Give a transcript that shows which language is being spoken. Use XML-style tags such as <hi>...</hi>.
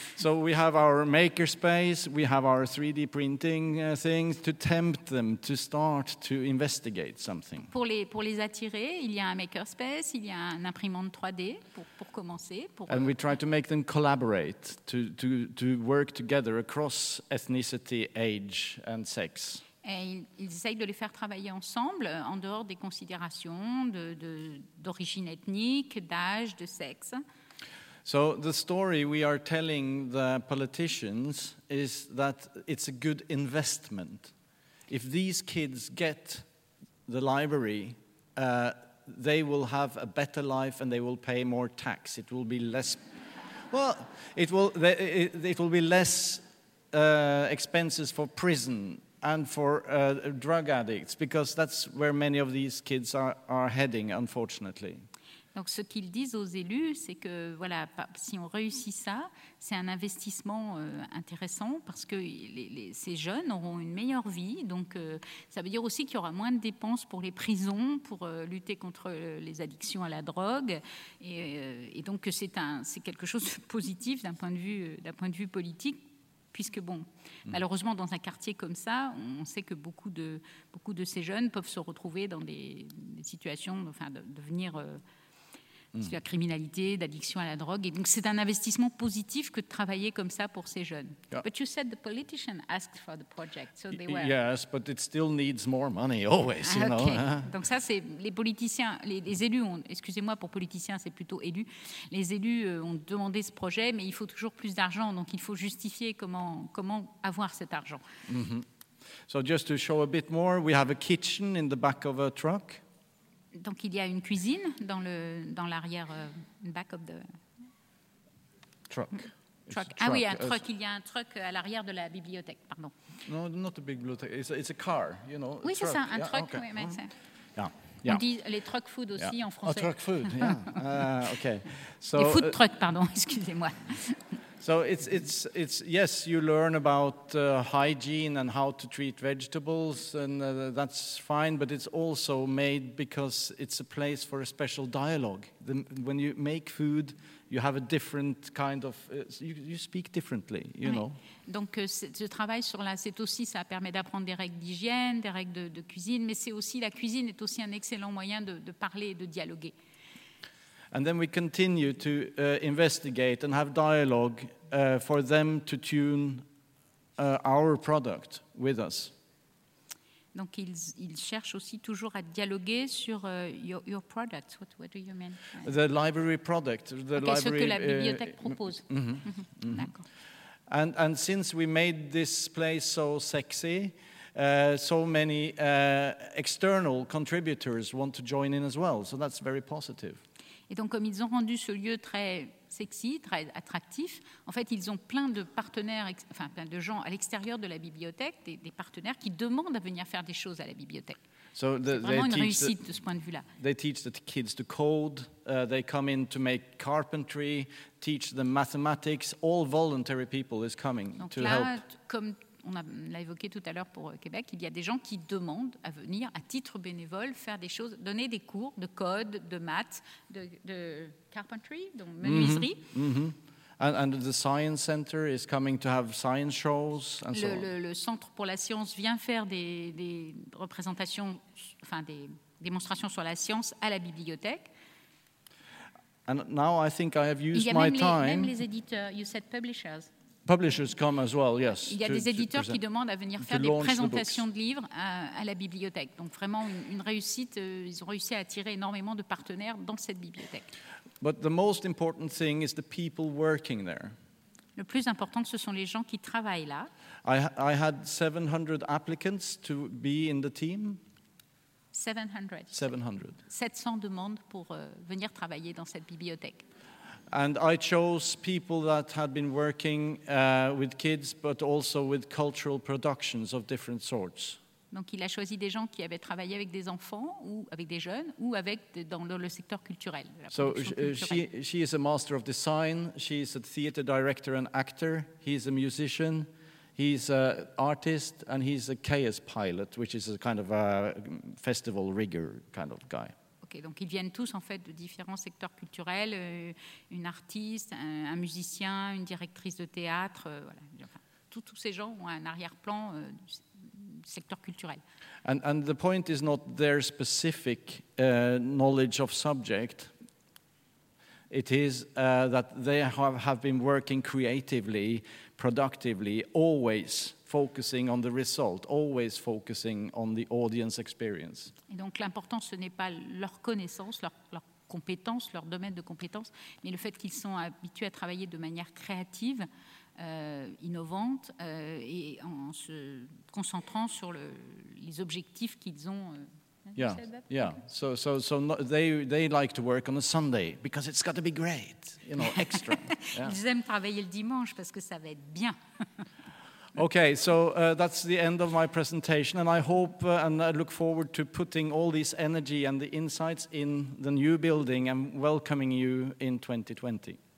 <en>So we have our maker space, we have our 3D printing things to tempt them to start to investigate something.</en> <fr>Pour les attirer, il y a un maker space, il y a un imprimante 3D pour commencer.</fr> <en>And we try to make them collaborate, to work together across ethnicity, age and sex.</en> <fr>Et ils essayent de les faire travailler ensemble en dehors des considérations d'origine ethnique, d'âge, de sexe.</fr> <en>So the story we are telling the politicians is that it's a good investment. If these kids get the library, they will have a better life and they will pay more tax. It will be less. Well, it will be less expenses for prison. And for drug addicts, because that's where many of these kids are heading, unfortunately.</en> <fr>Donc, ce qu'ils disent aux élus, c'est que voilà, si on réussit ça, c'est un investissement intéressant parce que ces jeunes auront une meilleure vie. Donc, ça veut dire aussi qu'il y aura moins de dépenses pour les prisons, pour lutter contre les addictions à la drogue, et donc que c'est quelque chose de positif d'un point de vue politique. Puisque bon, malheureusement, dans un quartier comme ça, on sait que beaucoup de ces jeunes peuvent se retrouver dans des situations, enfin, devenir de la criminalité, d'addiction à la drogue. Et donc, c'est un investissement positif que de travailler comme ça pour ces jeunes.</fr> <en>Yeah. But you said the politician asked for the project, so they were. Yes, but it still needs more money, always. You know.</en> <fr>Donc ça, c'est les politiciens, les élus. Excusez-moi, pour politiciens, c'est plutôt élus. Les élus ont demandé ce projet, mais il faut toujours plus d'argent. Donc il faut justifier comment avoir cet argent.</fr> <en>Mm-hmm. So just to show a bit more, we have a kitchen in the back of a truck.</en> <fr>Donc il y a une cuisine dans l'arrière,</fr> <en>back of the truck.</en> <fr>Ah oui, un truck. Il y a un truck à l'arrière de la bibliothèque, pardon.</fr> <en>No, not a bibliothèque. It's a car, you know.</en> <fr>Oui, c'est ça, un truck. Okay. Oui, mais</fr> <en>yeah.</en> <fr>On dit les truck food aussi en français.</fr> <en>Oh, truck food. Yeah. Okay.</en> <fr>So les food truck, pardon. Excusez-moi.</fr> <en>So it's yes, you learn about hygiene and how to treat vegetables, and that's fine. But it's also made because it's a place for a special dialogue. When you make food, you have a different kind of you speak differently, you know.</en> <fr>Donc ce travail sur la, c'est aussi, ça permet d'apprendre des règles d'hygiène, des règles de cuisine, mais c'est aussi, la cuisine est aussi un excellent moyen de parler et de dialoguer.</fr> <en>And then we continue to investigate and have dialogue for them to tune our product with us.</en> <fr>Donc ils cherchent aussi toujours à dialoguer sur</fr> <en>your product. What do you mean? The library product. The library,</en> <fr>ce que la bibliothèque propose. Mm-hmm, mm-hmm. D'accord.</fr> <en>And since we made this place so sexy, so many external contributors want to join in as well. So that's very positive.</en> <fr>Et donc, comme ils ont rendu ce lieu très sexy, très attractif, en fait, ils ont plein de partenaires, enfin, plein de gens à l'extérieur de la bibliothèque, des partenaires qui demandent à venir faire des choses à la bibliothèque.</fr> <en>So</en> <fr>c'est vraiment une réussite de ce point de vue-là.</fr> <en>They teach the kids to code, they come in to make carpentry, teach them mathematics, all voluntary people is coming</en> <fr>donc</fr> <en>to</en> <fr>là,</fr> <en>help.</en> <fr>Comme on l'a évoqué tout à l'heure pour Québec, il y a des gens qui demandent à venir à titre bénévole faire des choses, donner des cours de code, de maths, de carpentry, donc menuiserie. Mm-hmm.</fr> <en>And the science center is coming to have science shows and so on.</en> <fr>Le centre pour la science vient faire des représentations, enfin des démonstrations sur la science à la bibliothèque.</fr> <en>And now I think I have used my time.</en> <fr>Il y a même les éditeurs,</fr> <en>you said publishers. Publishers come as well, yes.</en> <fr>Il y a des éditeurs qui demandent à venir faire des présentations de livres à la bibliothèque. Donc vraiment une réussite, ils ont réussi à attirer énormément de partenaires dans cette bibliothèque.</fr> <en>But the most important thing is the people working there.</en> <fr>Le plus important, ce sont les gens qui travaillent là.</fr> <en>I had 700 applicants to be in the team.</en> <fr>700 demandes pour venir travailler dans cette bibliothèque.</fr> <en>And I chose people that had been working with kids, but also with cultural productions of different sorts.</en> <fr>Donc il a choisi des gens qui avaient travaillé avec des enfants ou avec des jeunes ou avec dans le secteur culturel.</fr> <en>So she is a master of design. She is a theater director and actor. He is a musician. He's an artist and he's a chaos pilot, which is a kind of a festival rigger kind of guy.</en> <fr>Okay, donc ils viennent tous en fait de différents secteurs culturels, une artiste, un musicien, une directrice de théâtre, voilà. Enfin, tous ces gens ont un arrière-plan du secteur culturel.</fr> <en>And the point is not their specific knowledge of subject. It is that they have been working creatively, productively, always focusing on the result, always focusing on the audience experience.</en> <fr>Et donc l'important, ce n'est pas leur connaissance, leur compétence, leur domaine de compétence, mais le fait qu'ils sont habitués à travailler de manière créative, innovante, et en se concentrant sur les objectifs qu'ils ont.</fr> <en>Yeah, yeah. So they like to work on a Sunday because it's got to be great, you know, extra. Yeah.</en> <fr>Ils aiment travailler le dimanche parce que ça va être bien.</fr> <en>Okay, so that's the end of my presentation, and I hope and I look forward to putting all this energy and the insights in the new building and welcoming you in 2020.</en>